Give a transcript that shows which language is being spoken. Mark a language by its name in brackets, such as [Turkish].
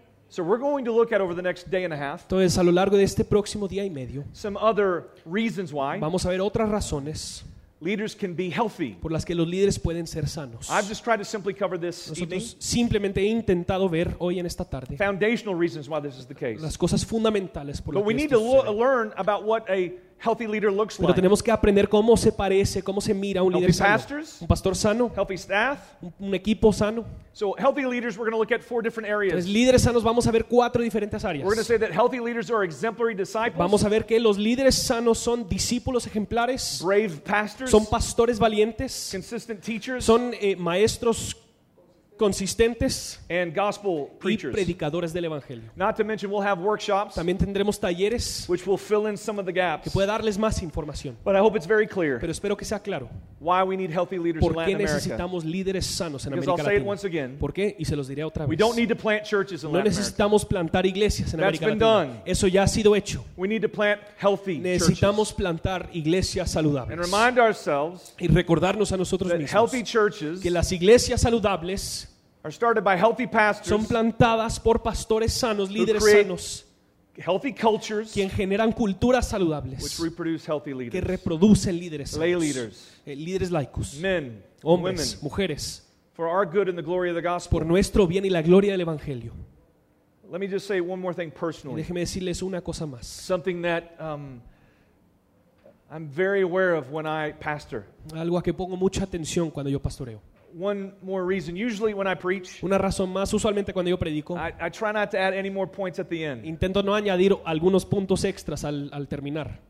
[English] So we're going to look at over the next day and a half. [Spanish] Entonces, a lo largo de este próximo día y medio. [English] Some other reasons why. [Spanish] Vamos a ver otras razones. [English] Leaders can be healthy. [Spanish] Por las que los líderes pueden ser sanos. [English] I've just tried to simply cover this [Spanish] nosotros [English] evening. [Spanish] Simplemente he intentado ver hoy en esta tarde. [English] Foundational reasons why this is the case. [Spanish] Las cosas fundamentales por las que esto sucede. [English] But we need to learn about what a healthy leader looks like. [Spanish] Pero tenemos que aprender cómo se parece, cómo se mira un líder sano, un pastor sano, [English] healthy staff, [Spanish] un equipo sano. [English] So healthy leaders, we're going to look at four different areas. [Spanish] Entonces, líderes sanos, vamos a ver cuatro diferentes áreas. [English] We're going to say that healthy leaders are exemplary disciples. [Spanish] Vamos a ver que los líderes sanos son discípulos ejemplares. [English] Brave pastors. [Spanish] Son pastores valientes. [English] Consistent teachers. [Spanish] Son maestros consistentes [English] and gospel preachers. [Spanish] Y predicadores del evangelio. [English] Not to mention, we'll have workshops, [Spanish] también tendremos talleres, [English] which will fill in some of the gaps, [Spanish] que puede darles más información. [English] But I hope it's very clear. [Spanish] Pero espero que sea claro. [English] Why we need healthy leaders in Latin America. [Spanish] ¿Por qué necesitamos líderes sanos en [English] because [Spanish] América [English] I'll [Spanish] Latina? [English] Say it once again. [Spanish] ¿Por qué? Y se los diré otra vez. [English] We don't need to plant churches in [Spanish] no necesitamos plantar iglesias en [English] that's [Spanish] América [English] been [Spanish] Latina. [English] Done. [Spanish] Eso ya ha sido hecho. [English] We need to plant healthy [Spanish] necesitamos [English] churches. [Spanish] Plantar iglesias saludables. [English] And remind ourselves [Spanish] y recordarnos a nosotros [English] that [Spanish] mismos [English] healthy churches [Spanish] que las iglesias saludables [English] are started by healthy pastors, [Spanish] son plantadas por pastores sanos, líderes sanos, [English] healthy cultures, [Spanish] quien generan culturas saludables, [English] which reproduce healthy leaders, [Spanish] que reproducen líderes [English] lay [Spanish] sanos, [English] leaders, [Spanish] líderes laicos, [English] men, [Spanish] hombres, [English] women, [Spanish] mujeres, [English] for our good and the glory of the gospel, [Spanish] por nuestro bien y la gloria del evangelio. [English] Let me just say one more thing personally. [Spanish] Déjeme decirles una cosa más. [English] Something that I'm very aware of when I pastor. [Spanish] Algo a que pongo mucha atención cuando yo pastoreo. [English] One more reason. Usually when I preach, [Spanish] una razón más, usualmente cuando yo predico, [English] I try not to add any more points at the end. [Spanish] Intento no añadir algunos puntos extras al terminar.